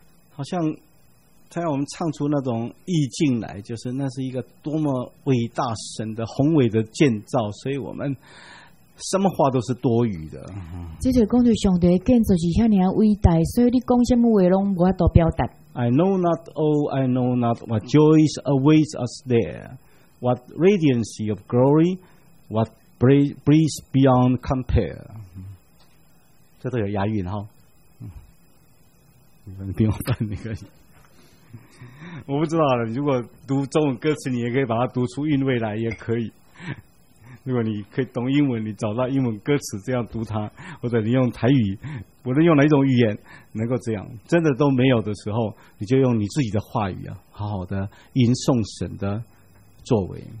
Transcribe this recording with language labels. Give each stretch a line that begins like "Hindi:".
Chinese: 好像他要我们唱出那种意境来，就是那是一个多么伟大神的宏伟的建造，所以我们。什么话都是多余的。这就是讲，对上帝的建筑是遐尼伟大，所以你讲什么话拢无法度表达。
English: I know not, oh, I know not what joys awaits us there, what radiancy of glory, what breeze beyond compare.
Chinese: 这都有押韵哈，你们不用翻那个。我不知道了，如果读中文歌词，你也可以把它读出韵味来，也可以。如果你可以懂英文，你找到英文歌词这样读它，或者你用台语，无论用哪一种语言，能够这样，真的都没有的时候，你就用你自己的话语啊，好好的吟诵神的作为。